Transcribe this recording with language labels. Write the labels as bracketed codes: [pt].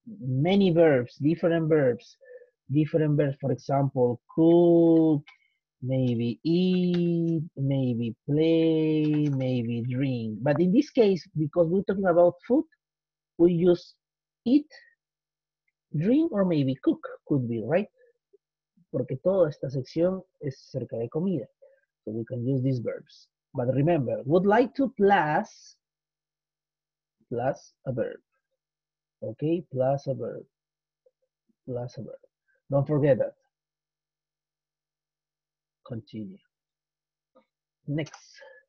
[en] Many verbs, different verbs. Different verbs, for example, cook, maybe eat, maybe play, maybe drink. But in this case, because we're talking about food, we use eat, dream, or maybe cook, could be, right? [es] Porque toda esta sección es cerca de comida. [en] So we can use these verbs. But remember, would like to plus a verb. Okay, plus a verb. Don't forget that. Continue. Next.